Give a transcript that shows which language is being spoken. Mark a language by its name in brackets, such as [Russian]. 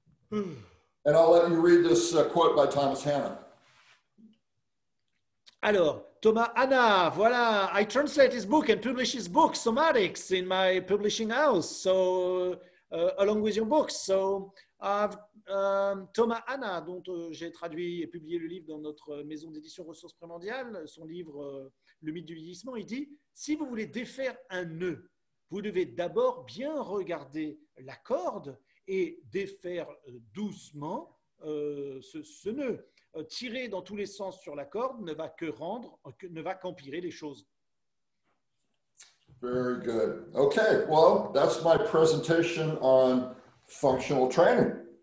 [English] And I'll let you read this quote by Thomas Hannah. [French] Alors, Thomas Anna, voilà, [English] I translate his book and publish his book, Somatics, in my publishing house, so along with your books. [French] So, Thomas Anna, dont j'ai traduit et publié le livre dans notre maison d'édition Ressources Primordiales, son livre Le mythe du vieillissement, il dit, si vous voulez défaire un nœud, vous devez d'abord bien regarder la corde et défaire doucement ce nœud. Tirer dans tous les sens sur la corde ne va qu'empirer les choses. [English] Very good. Okay, well, that's my presentation on functional training.